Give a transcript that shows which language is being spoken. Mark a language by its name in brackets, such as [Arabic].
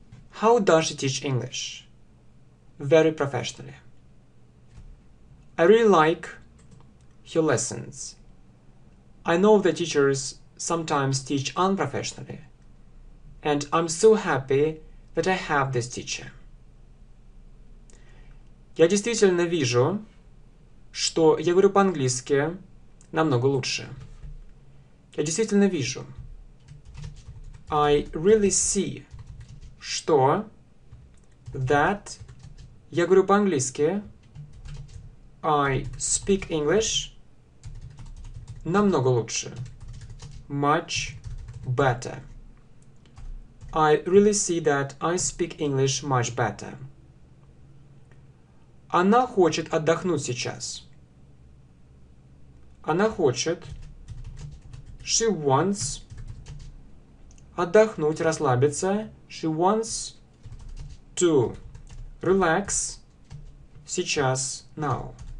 [English] How does she teach English? Very professionally. I really like her lessons. I know the teachers sometimes teach unprofessionally, and I'm so happy that I have this teacher. [Russian] Я действительно вижу, что я говорю по-английски намного лучше. Я действительно вижу. [English] I really see, [Russian] что [English] that [Russian] я говорю по-английски. [English] I speak English [Russian] намного лучше. [English] Much better. I really see that I speak English much better. [Russian] Она хочет отдохнуть сейчас. Она хочет. [English] She wants [Russian] отдохнуть, расслабиться. [English] She wants to relax [Russian] сейчас, [English] now.